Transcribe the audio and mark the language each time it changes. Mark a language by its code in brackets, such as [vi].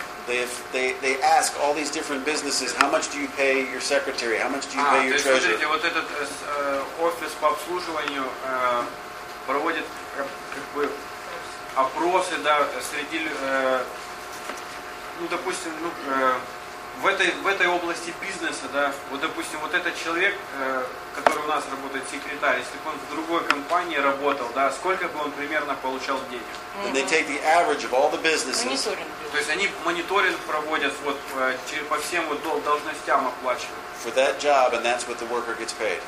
[en] They ask all these different businesses, how much do you pay your secretary? How much do you pay your treasurer? [ru] Вот этот офис по обслуживанию проводит как бы опросы, да, среди ну, допустим, ну, в этой области бизнеса, да, вот, допустим, вот этот человек, который у нас работает, секретарь, если бы он в другой компании работал, да, сколько бы он примерно получал денег? [en] Then they take the average of all the businesses. [ru] Мониторинг. То есть они мониторинг проводят вот по всем вот должностям оплачивают. [en] For that job, and that's what the worker gets paid.